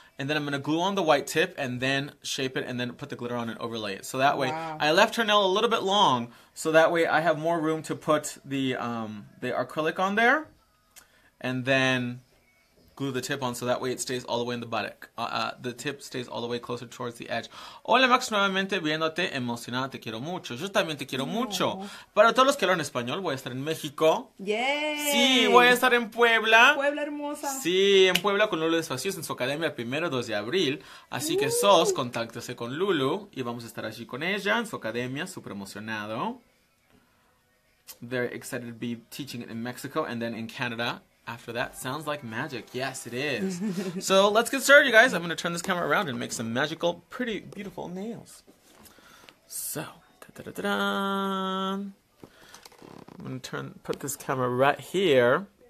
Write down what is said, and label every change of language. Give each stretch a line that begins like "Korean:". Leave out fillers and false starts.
English: And then I'm gonna glue on the white tip and then shape it and then put the glitter on and overlay it. So that way, Wow. I left her nail a little bit long, so that way I have more room to put the acrylic on there and then glue the tip on, so that way it stays all the way in the buttock. The tip stays all the way closer towards the edge.
Spanish: Hola Max, nuevamente viéndote, emocionada, te quiero mucho. Yo también te quiero mucho. Oh. Para todos los que hablan español, voy a estar en México. Sí, voy a Yay. estar en Puebla. Puebla hermosa. Sí, en Puebla con Lulu Despacios en su academia el primero 2 de abril. Así que sos, contáctese con Lulu y vamos a estar allí con ella en su academia, súper emocionado.
English: Very excited to be teaching it in Mexico and then in Canada after that. Sounds like magic. Yes, it is. So let's get started, you guys. I'm gonna turn this camera around and make some magical, pretty, beautiful nails. So, da-da-da-da-da. I'm gonna put this camera right here.